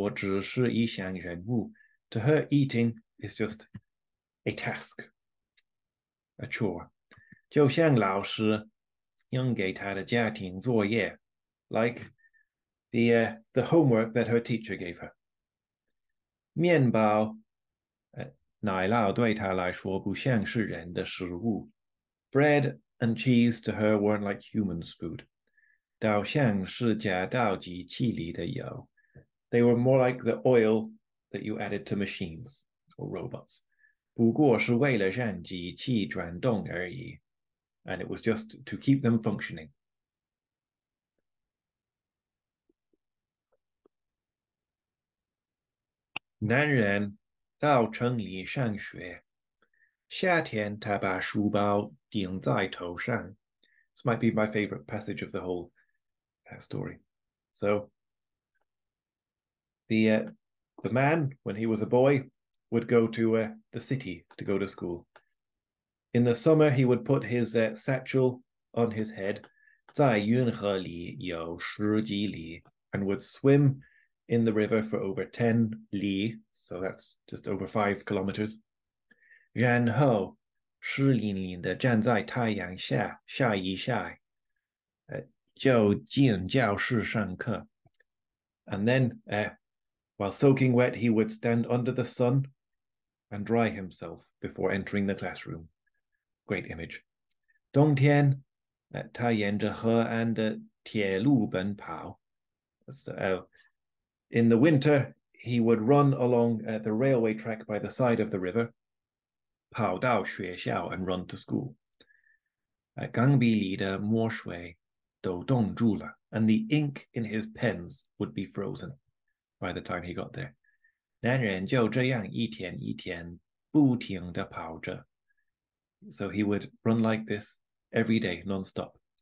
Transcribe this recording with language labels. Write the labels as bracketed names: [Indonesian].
[Chinese] 吃饭对她来说只是一项任务. [English] To her, eating is just a task, a chore. [Chinese] 就像老师扔给她的家庭作业. [English] Like the homework that her teacher gave her. [Chinese] 面包, 奶酪对她来说不像是人的食物. [English] Bread and cheese to her weren't like humans' food. [Chinese] 倒像是加到机器里的油. [English] They were more like the oil that you added to machines or robots. [Chinese] 不过是为了让机器转动而已. [English] And it was just to keep them functioning. [Chinese] 男人到城里上学.夏天他把书包顶在头上. [English] This might be my favorite passage of the whole story. So, the man, when he was a boy, would go to the city to go to school. In the summer, he would put his satchel on his head, [Chinese] 在运河里有十几里, [English] and would swim in the river for over 10 li, so that's just over 5 kilometers. [Chinese] 然后湿淋淋地站在太阳下晒一晒, 就进教室上课. [English] And then, while soaking wet, he would stand under the sun and dry himself before entering the classroom. Great image. [Chinese] 冬天, 他沿着河岸的铁路奔跑. [English] In the winter, he would run along the railway track by the side of the river, [Chinese] 跑到学校, [English] and run to school. [Chinese] 钢笔里的墨水都冻住了, [English] and the ink in his pens would be frozen by the time he got there. [Chinese] 男人就这样一天一天不停地跑着. [English] So he would run like this every day, non-stop.